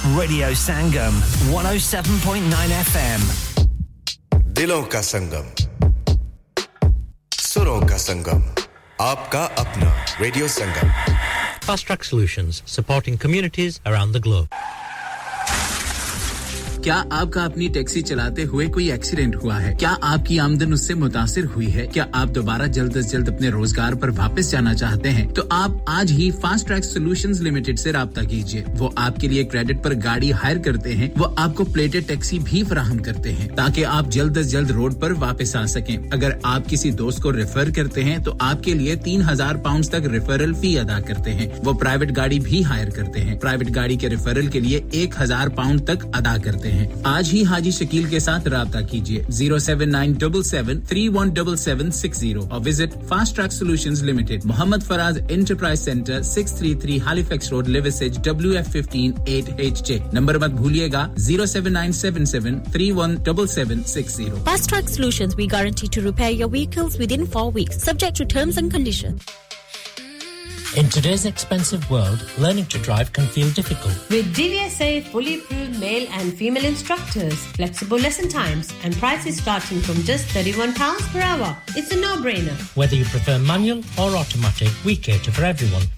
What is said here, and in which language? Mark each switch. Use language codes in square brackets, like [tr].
[en] Radio Sangam, 107.9 FM. [hi] Dilon ka Sangam. Suron ka Sangam. Aapka apna Radio Sangam. [en] Fast Track Solutions, supporting communities around the globe. [hi] क्या आपका अपनी taxi चलाते हुए कोई accident हुआ है क्या आपकी आमदनी उससे متاثر हुई है क्या आप दोबारा जल्द से जल्द अपने रोजगार पर वापस जाना चाहते हैं तो आप आज ही फास्ट ट्रैक सॉल्यूशंस लिमिटेड से رابطہ कीजिए वो आपके लिए क्रेडिट पर गाड़ी हायर करते हैं वो आपको प्लेटेड टैक्सी भी प्रदान करते हैं ताकि आप जल्द से जल्द रोड पर वापस आ सकें अगर आप किसी दोस्त को रेफर करते हैं तो आपके लिए £3,000 तक रेफरल फी अदा करते हैं वो प्राइवेट गाड़ी भी हायर करते हैं प्राइवेट गाड़ी के रेफरल के लिए £1,000 तक अदा करते हैं आज ही हाजी शकील के साथ राबता कीजिए 07977317760 और visit fast track solutions limited Mohammad Faraz enterprise centre 633 Halifax road Liversedge WF158HJ number मत भूलिएगा 07977317760 [en] Fast track solutions we guarantee to repair your vehicles within 4 weeks subject to terms and conditions In today's expensive world, learning to drive can feel difficult. With DVSA fully approved male and female instructors, flexible lesson times, and prices starting from just £31 per hour, it's a no-brainer. Whether you prefer manual or automatic, we cater for everyone.